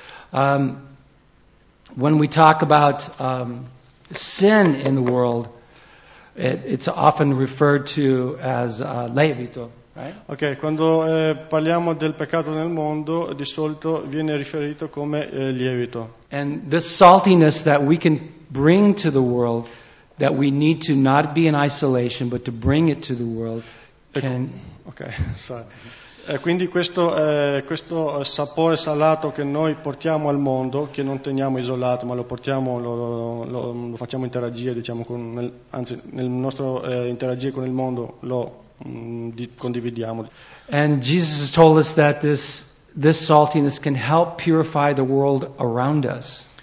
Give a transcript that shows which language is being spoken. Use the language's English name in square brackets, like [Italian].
[English] When we talk about sin in the world, it's often referred to as lievito. Right? [Italian] Ok, quando parliamo del peccato nel mondo, di solito viene riferito come lievito. [English] And the saltiness that we can bring to the world, that we need to not be in isolation, but to bring it to the world, can... Okay, sorry. [Italian] Quindi questo sapore salato che noi portiamo al mondo, che non teniamo isolato, ma lo portiamo, lo facciamo interagire, diciamo, interagire con il mondo, lo condividiamo. [English] And Jesus has told us that this saltiness can help purify the world around us.